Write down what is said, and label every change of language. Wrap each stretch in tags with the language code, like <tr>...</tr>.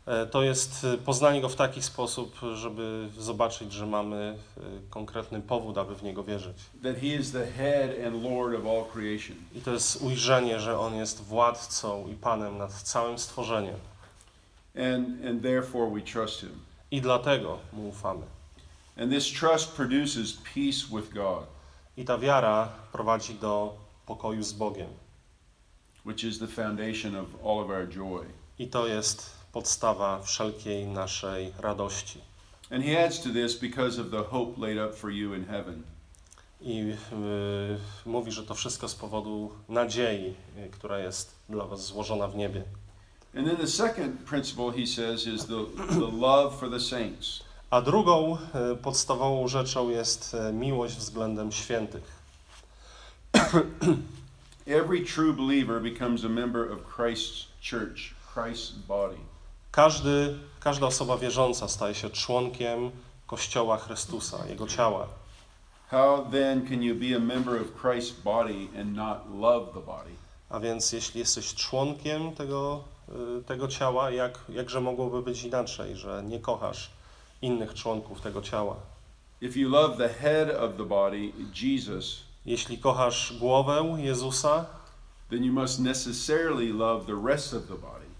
<pl>To jest poznanie go w taki sposób, żeby zobaczyć, że mamy konkretny powód, aby w niego wierzyć.</pl> <en>That he is the head and Lord of all creation.</en> <pl>I to jest ujrzenie, że on jest władcą i panem nad całym stworzeniem.</pl> <en>And therefore we trust him.</en> <pl>I dlatego mu ufamy.</pl> <en>And this trust produces peace with God.</en> <pl>I ta wiara prowadzi do pokoju z Bogiem.</pl> <en>Which is the foundation of all of our joy.</en> <pl>I to jest podstawa wszelkiej naszej radości.</pl> <en>And he adds to this because of the hope laid up for you in heaven.</en> <pl>I mówi, że to wszystko z powodu nadziei, która jest dla was złożona w niebie.</pl> <en>And then the second principle he says is the love for the saints.</en> <pl>A drugą podstawową rzeczą jest miłość względem świętych.</pl> <en>Every true believer becomes a member of Christ's church, Christ's body.</en> <pl>Każda osoba wierząca staje się członkiem Kościoła Chrystusa, Jego ciała.</pl> <en>How then can you be a member of Christ's body and not love the body?</en> <pl>A więc jeśli jesteś członkiem tego ciała, jakże mogłoby być inaczej, że nie kochasz innych członków tego ciała?</pl> <en>If you love the head of the body, Jesus,</en> <pl>jeśli kochasz głowę Jezusa,</pl> <en>then you must necessarily love the rest of the body.</en>